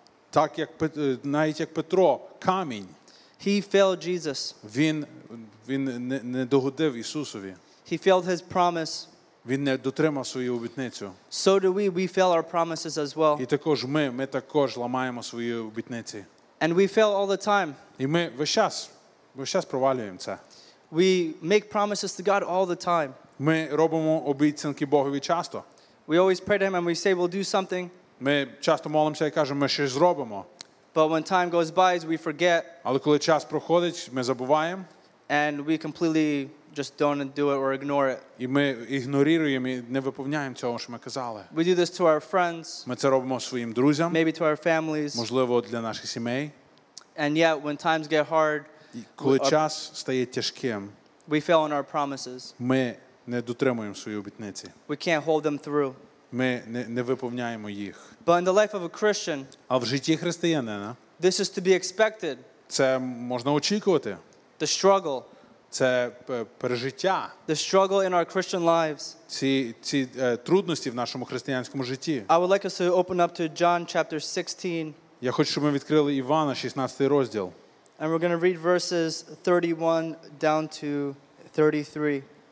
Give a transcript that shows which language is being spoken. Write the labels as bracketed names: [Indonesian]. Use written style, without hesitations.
[Ukrainian] так як навіть як Петро, камінь, [English] he failed Jesus. [Ukrainian] Він не догодив Ісусові. [English] He failed his promise. [Ukrainian] Він не дотримав свою обітницю. [English] So do we fail our promises as well. [Ukrainian] І також ми також ламаємо свої обітниці. [English] And we fail all the time. [Ukrainian] І ми весь час провалюємо це. [English] We make promises to God all the time. [Ukrainian] Ми робимо обіцянки Богові часто. [English] We always pray to him and we say we'll do something. [Ukrainian] Ми часто молимося і кажемо, ми щось зробимо. [English] But when time goes by, we forget. [Ukrainian] Але коли час проходить, ми забуваємо. [English] And we completely just don't do it or ignore it. [Ukrainian] І ми ігноруємо і не виповняємо цього, що ми казали. [English] We do this to our friends. [Ukrainian] Ми це робимо своїм друзям. [English] Maybe to our families. [Ukrainian] Можливо, для наших сімей. [English] And yet, when times get hard, [Ukrainian] коли час стає тяжким, [English] we fail in our promises. [Ukrainian] Ми не дотримуємо свої обітниці. [English] We can't hold them through. [Ukrainian] Ми не виповняємо їх. [English] But in the life of a Christian, [Ukrainian] а в житті християнина, [English] this is to be expected. [Ukrainian] Це можна очікувати. [English] The struggle. [Ukrainian] Це пережиття. [English] The struggle in our Christian lives. [Ukrainian] Ці трудності в нашому християнському житті. [English] I would like us to open up to John chapter 16. [Ukrainian] Я хочу, щоб ми відкрили Івана 16 розділ. [English] And we're going to read verses 31 down to 33.